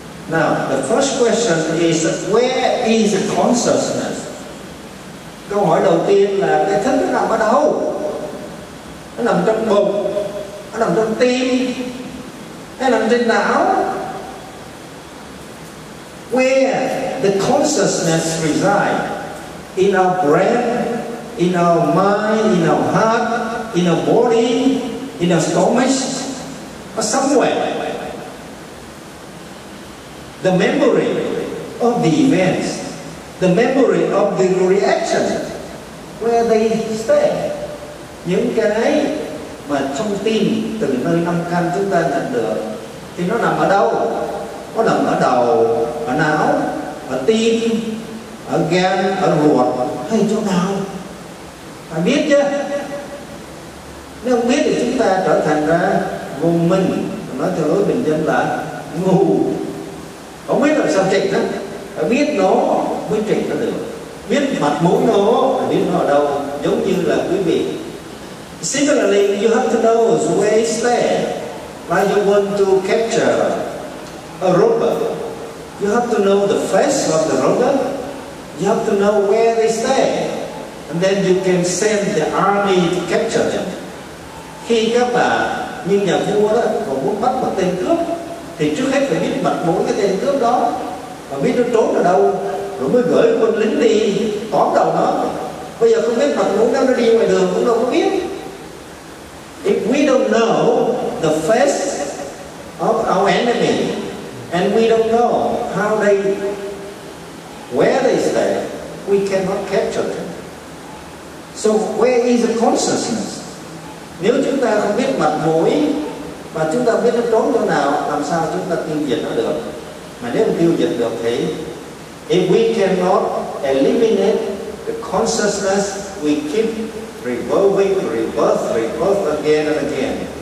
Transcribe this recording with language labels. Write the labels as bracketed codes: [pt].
[en] Now, the first question is, where is the consciousness? [vi] Câu hỏi đầu tiên là, cái thức nó nằm ở đâu? Nó nằm trong bụng, nó nằm trong tim, hay nằm trên não? [en] where the consciousness reside, in our brain, in our mind, in our heart, in our body, in our stomach, or somewhere. The memory of the events, the memory of the reaction, where they stay. [vi] Những cái mà thông tin từ nơi năm căn chúng ta nhận được thì nó nằm ở đâu? Nó nằm ở đầu, ở não, ở tim, ở gan, ở ruột hay chỗ nào? Phải biết chứ. Nếu không biết thì chúng ta trở thành ra vô minh, nói theo lối bình dân là ngu. Không biết làm sao chỉnh đó, phải biết nó mới chỉnh nó được. Biết mặt mũi nó, phải biết nó ở đâu, giống như là quý vị. [en] Similarly, you have to know where it's there. Like you want to capture a robber, you have to know the face of the robber. You have to know where they stay, and then you can send the army to capture them. [vi] Khi các bạn như nhà vua đó, mà muốn bắt một tên cướp, thì trước hết phải biết mặt mũi cái tên cướp đó, và biết nó trốn ở đâu, rồi mới gửi quân lính đi tóm đầu nó. Bây giờ không biết mặt mũi nó đi ngoài đường cũng đâu có biết. [en] If we don't know the face of our enemy, and we don't know how they, where they stay, we cannot capture them. So where is the consciousness? [vi] Nếu chúng ta không biết mặt mũi, mà chúng ta biết nó trốn chỗ nào, làm sao chúng ta tiêu diệt nó được? Mà nếu không tiêu diệt được thì, [en] if we cannot eliminate the consciousness, we keep revolving, rebirth, rebirth again and again.